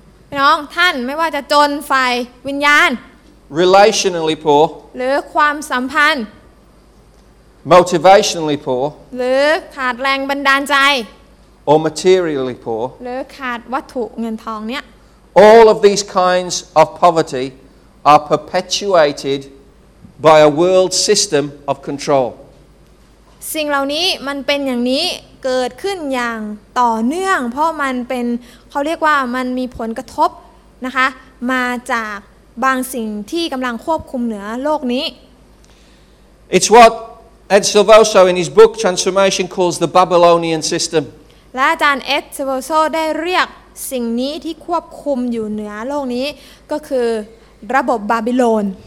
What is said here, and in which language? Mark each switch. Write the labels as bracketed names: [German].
[Thai] พี่น้องท่านไม่ว่าจะจนฝ่ายวิญญาณ [English] relationally poor [Thai] หรือความสัมพันธ์ [English] motivationally poor [Thai] หรือขาดแรงบันดาลใจ [English] or materially poor [Thai] หรือขาดวัตถุเงินทองเนี่ย [English] all of these kinds of poverty are perpetuated by a world system of control [Thai] สิ่งเหล่านี้มันเป็นอย่างนี้เกิดขึ้นอย่างต่อเนื่องเพราะมันเป็นเขาเรียกว่ามันมีผลกระทบนะคะมาจากบางสิ่งที่กำลังควบคุมเหนือโลกนี้ [English] It's what Ed Silvoso in his book Transformation calls the Babylonian system [Thai] และอาจารย์ Ed Silvoso ได้เรียกสิ่งนี้ที่ควบคุมอยู่เหนือโลกนี้ก็คือระบบบาบิโลน